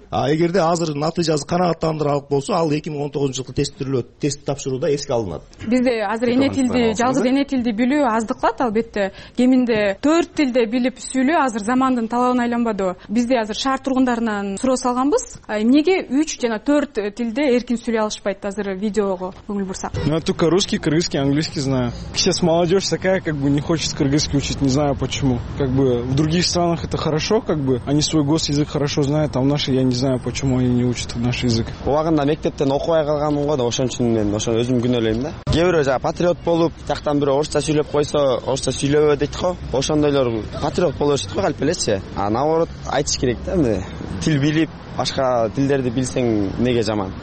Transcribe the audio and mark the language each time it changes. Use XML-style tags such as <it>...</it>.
<ky>А эгерде азыр натыйжасы канагаттандыралык болсо, ал 2019 жылкы тест тапшырууда эске алынат. Бизде азыр эне тилди, жалгыз эне тилди билүү аздыклат албетте. Кеминде 4 тилде билип сүйлөө азыр замандын талабына айланбадыбы? Бизде азыр шаар тургундарынан суроо салганбыз, эмнеге 3 жана 4 тилде эркин сүйлөй алышпайт? Азыр видеого көңүл бурсак.</ky> <ru>Я только русский, кыргызский, английский знаю. Сейчас молодежь такая, как бы не хочет кыргызский учить, не знаю почему. Как бы в других странах это хорошо, как бы они свой госязык хорошо знают, а в нашей я не знаю, почему они не учат наш язык.</ru> <ky>Улагында мектептен окубай калганмын го, ошон үчүн мен ошо өзүм күнөлөйм да. Кээ бирөө жана патриот болуп, жактан бирөө орусча сүйлөп койсо, орусча сүйлөбө дейт го. Ошондойлор патриот болушат го, калп элечи.</ky> <ru>А наоборот</ru> <ky>айтыш керек да, эми тил билип башка тилдерди билсең эмнеге жаман?</ky>